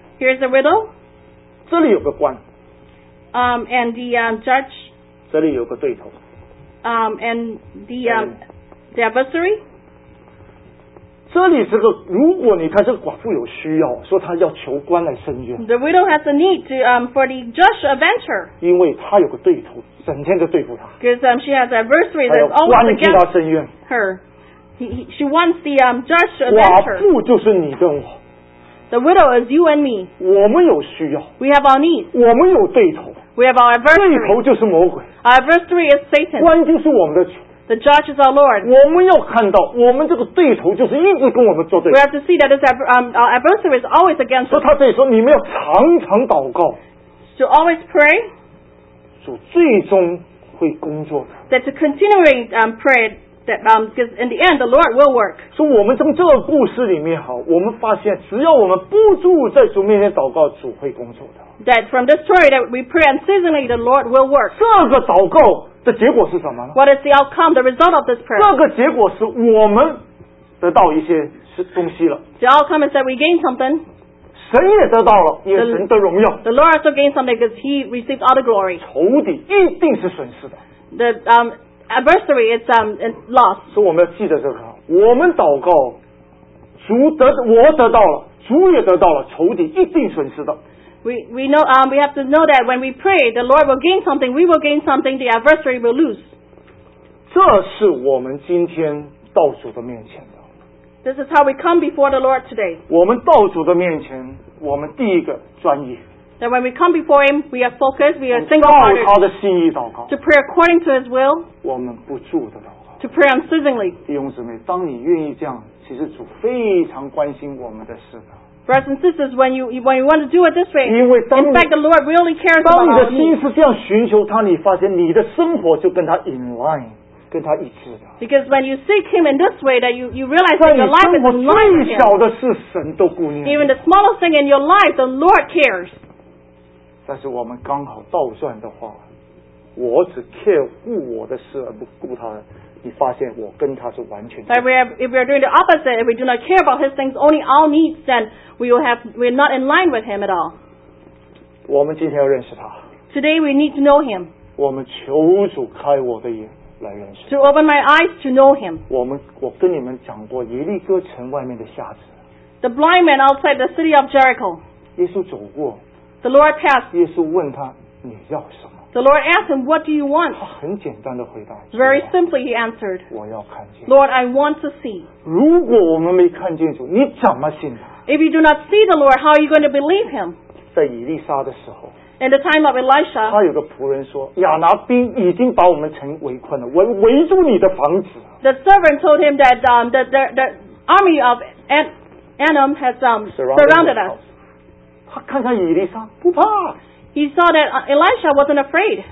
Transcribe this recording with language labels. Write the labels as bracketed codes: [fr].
[en] Here's a widow。 [zh] 这里有个官。 [en] And the judge。 [zh] 这里有个对头。 [en] And the adversary。 [zh] 这里这个，如果你看这个寡妇有需要，说她要求官来伸冤。 [en] The widow has a need to for the judge to adventure. [zh] 因为她有个对头，整天在对付她。 [en] Because she has adversary that's always against her. [zh] 还有官替她伸冤。 [en] Her, she wants the judge to adventure. [zh] 寡妇就是你跟我。 [en] The widow is you and me. [zh] 我们有需要。 [en] We have our needs. [zh] 我们有对头。 [en] We have our adversary. [zh] 对头就是魔鬼。 [en] Our adversary is Satan. [zh] 官就是我们的主。 [en] The judge is our Lord. [zh] 我们要看到，我们这个对头就是一直跟我们作对。 [en] We have to see that this our adversary is always against us. [zh] 所以他这里说，你们要常常祷告。 [en] To always pray. [zh] 主最终会工作的。 [en] That to continually pray that because in the end the Lord will work. [zh] 所以我们从这个故事里面好，我们发现，只要我们不住在主面前祷告，主会工作的。 [en] That from this story that we pray unceasingly, the Lord will work. [zh] 这个祷告的结果是什么呢？ [en] What is the outcome, the result of this prayer? [zh] 这个结果是我们得到一些东西了。 [en] The outcome is that we gain something. [zh] 神也得到了，也神的荣耀。 [en] The Lord also gained something because he received all the glory. [zh] 仇敌一定是损失的。 [en] The adversary is lost. [zh] 所以我们要记得这个，我们祷告，主得，我得到了，主也得到了，仇敌一定损失的。 [en] We know we have to know that when we pray, the Lord will gain something. We will gain something. The adversary will lose. [zh] 这是我们今天到主的面前的。 [en] This is how we come before the Lord today. [zh] 我们到主的面前，我们第一个专一。 [en] That when we come before Him, we are focused. We are single-hearted. [zh] 照他的心意祷告。 [en] To pray according to His will. [zh] 我们不住的祷告。 [en] To pray unceasingly. [zh] 弟兄姊妹，当你愿意这样，其实主非常关心我们的事的。 [en] Brothers and sisters, when you want to do it this way, in fact, the Lord really cares about you. [zh] 当你的心是这样寻求他，你发现你的生活就跟他 [en] in line, [zh] 跟他一致的。 [en] Because when you seek Him in this way, that you realize that your life is in line with Him. [zh] 最小的事，神都顾念。 [en] Even the smallest thing in your life, the Lord cares. [zh] 但是我们刚好倒转的话，我只 care 顾我的事而不顾他的。你发现我跟他是完全。 [en] But if we are doing the opposite, if we do not care about his things, only our needs, then we're not in line with him at all. [zh] 我们今天要认识他。 [en] Today we need to know him. [zh] 我们求主开我的眼来认识。 [en] To open my eyes to know him. [zh] 我跟你们讲过耶利哥城外面的瞎子。 [en] The blind man outside the city of Jericho. [zh] 耶稣走过。 [en] The Lord passed. [zh] 耶稣问他你要什么。 [en] The Lord asked him, what do you want? [zh] 他很简单地回答, [en] Very simply he answered, [zh] 我要看见。 [en] Lord, I want to see. [zh] 如果我们没看见主, 你怎么信他? [en] If you do not see the Lord, how are you going to believe him? [zh] 在以利沙的时候, [en] In the time of Elisha, [zh] 他有个仆人说, 亚拿兵已经把我们城围困了, 围住你的房子。 [en] The servant told him that the army of Anam has surrounded us. [zh] 他看看以利沙, 不怕。 [en] He saw that Elisha wasn't afraid.